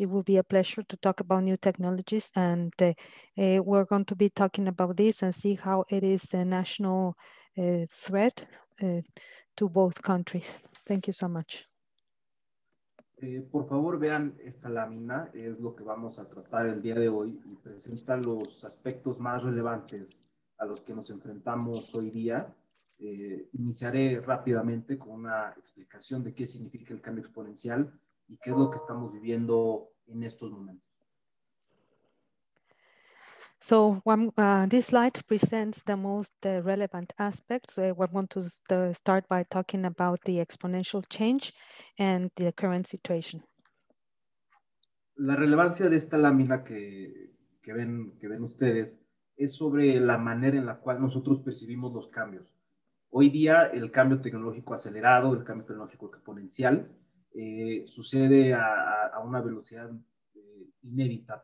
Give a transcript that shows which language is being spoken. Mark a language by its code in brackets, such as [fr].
[en] It will be a pleasure to talk about new technologies, and we're going to be talking about this and see how it is a national threat to both countries. Thank you so much. [es] Por favor, vean esta lámina, es lo que vamos a tratar el día de hoy y presenta los aspectos más relevantes a los que nos enfrentamos hoy día. Iniciaré rápidamente con una explicación de qué significa el cambio exponencial y qué es lo que estamos viviendo en estos momentos. [en] So this slide presents the most relevant aspects. We want to start by talking about the exponential change and the current situation. [es] La relevancia de esta lámina que ven ustedes es sobre la manera en la cual nosotros percibimos los cambios. Hoy día, el cambio tecnológico acelerado, el cambio tecnológico exponencial, sucede a una velocidad inédita.